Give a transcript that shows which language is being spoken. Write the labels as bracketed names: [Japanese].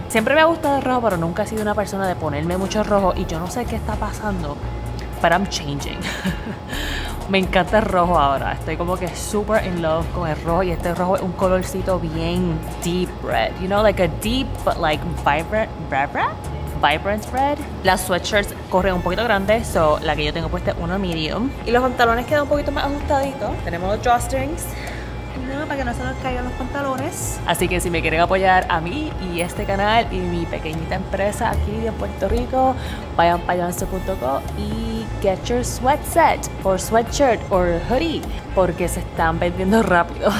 [Spanish] Siempre me ha gustado el rojo, pero nunca he sido una persona de ponerme mucho rojo. Y yo no sé qué está pasando, pero [English] I'm changing. [Spanish] Me encanta el rojo ahora. Estoy como que [English] super in love [Spanish] con el rojo. Y este rojo es un colorcito bien [English] deep red. You know, like a deep but like vibrant, vibrant? Vibrant red. [Spanish] Las sweatshirts corren un poquito grande, so la que yo tengo puesta es una medium. Y los pantalones quedan un poquito más ajustaditos. Tenemos los drawstrings para que no se nos caigan los pantalones. Así que si me quieren apoyar a mí y este canal y mi pequeñita empresa aquí en Puerto Rico, vayan para Janster.co y [English] get your sweat set or sweatshirt or hoodie, [Spanish] porque se están vendiendo rápido.